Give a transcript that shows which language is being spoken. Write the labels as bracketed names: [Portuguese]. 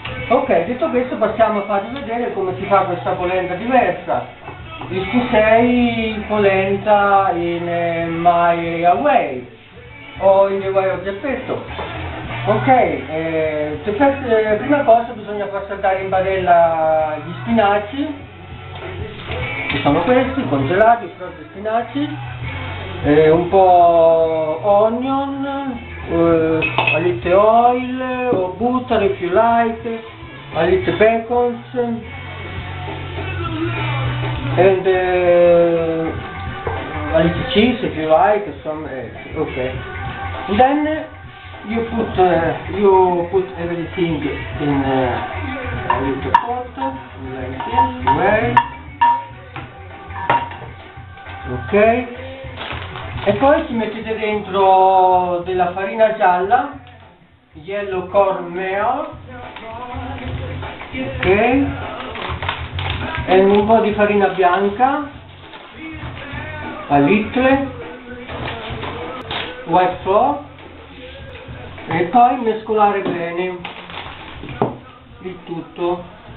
[Italian] Ok, detto questo, passiamo a farvi vedere come si fa questa polenta diversa. [English] Is to say polenta in my way, o in the way of the petto. Ok, [Italian] prima cosa bisogna far saltare in padella gli spinaci, che sono questi, congelati, i frutti spinaci, un po' [English] onion, a little oil, o butter if you like, a little bacon, and a little cheese if you like, some ok. And then you put everything in a little pot, like this way. Ok. [Italian] E poi ci mettete dentro della farina gialla, [English] yellow corn meal, [Italian] ok, e un po' di farina bianca, [English] a little, white flour, [Italian] e poi mescolare bene il tutto.